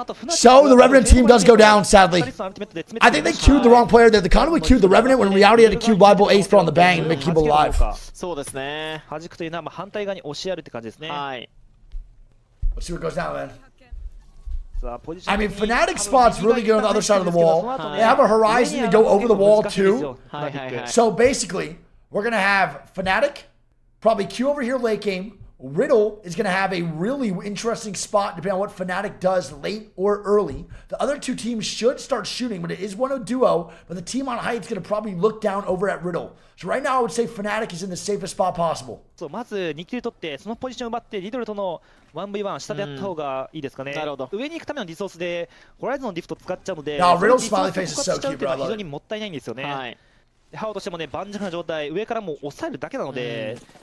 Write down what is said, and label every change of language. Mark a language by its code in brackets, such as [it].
[en] So the Revenant team does go down, sadly. I think they queued the wrong player there. The Conway queued the Revenant when in reality had to queue Bible Ace on the bang and make Kimball alive. [ja] そうですね。弾くというのは反対側に押しやるって感じですね。はい。 [en] Let's see what goes down, man. I mean, Fnatic spot's really good on the other side of the wall. They have a horizon to go over the wall, too. So basically, we're going to have Fnatic probably queue over here late game. Riddle is going to have a really interesting spot depending on what Fnatic does late or early. The other two teams should start shooting, but it is one of duo, but the team on height is going to probably look down over at Riddle. So right now I would say Fnatic is in the safest spot possible. [ja] So, まず2球取って、そのポジションを奪って、リドルとの 1v1 下でやった方がいいですかね。なるほど。上に行くためのリソースで、ホライゾンのディフト使っちゃうので、 [en] Now, Riddle's smiley face is so cute, bro. [ja] 非常にもったいないんですよね。はい。ハオとしてもね、盤石な状態、上からもう抑えるだけなので、